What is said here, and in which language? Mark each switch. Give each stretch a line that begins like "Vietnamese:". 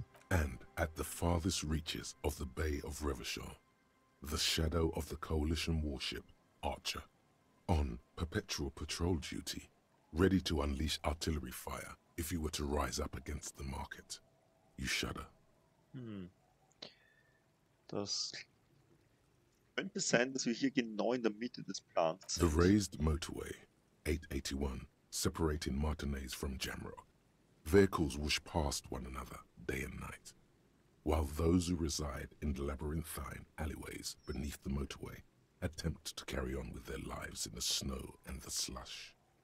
English: And at the farthest reaches of the Bay of Revachol, the shadow of the Coalition warship, Archer, on perpetual patrol duty, ready to unleash artillery fire if you were to rise up against the market. You shudder.
German: Das... Könnte sein, dass wir hier genau in der Mitte des Plans sind.
English: The raised motorway, 881, separating Martinez from Jamrock. Vehicles whoosh past one another, day and night. While those who reside in the labyrinthine alleyways beneath the motorway attempt to carry on with their lives in the snow and the slush.